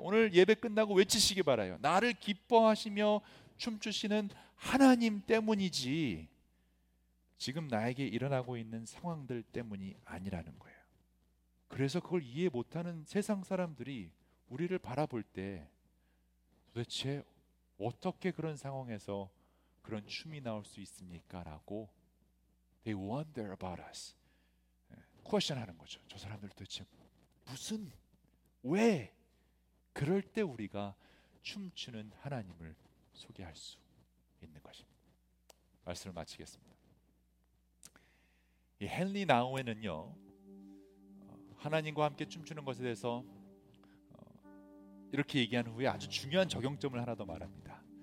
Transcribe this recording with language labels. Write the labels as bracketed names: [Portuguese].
[Korean] 오늘 예배 끝나고 외치시기 바라요. 나를 기뻐하시며 춤추시는 하나님 때문이지 지금 나에게 일어나고 있는 상황들 때문이 아니라는 거예요. 그래서 그걸 이해 못하는 세상 사람들이 우리를 바라볼 때 도대체 어떻게 그런 상황에서 그런 춤이 나올 수 있습니까? 라고 [English] they wonder about us. [Korean] question 하는 거죠. 저 사람들 도대체 무슨, 왜? 그럴 때 우리가 춤추는 하나님을 소개할 수 있는 것입니다. 말씀을 마치겠습니다. 이 헨리 나우에는요, 하나님과 함께 춤추는 것에 대해서 이렇게 얘기한 후에 아주 중요한 적용점을 하나 더 말합니다.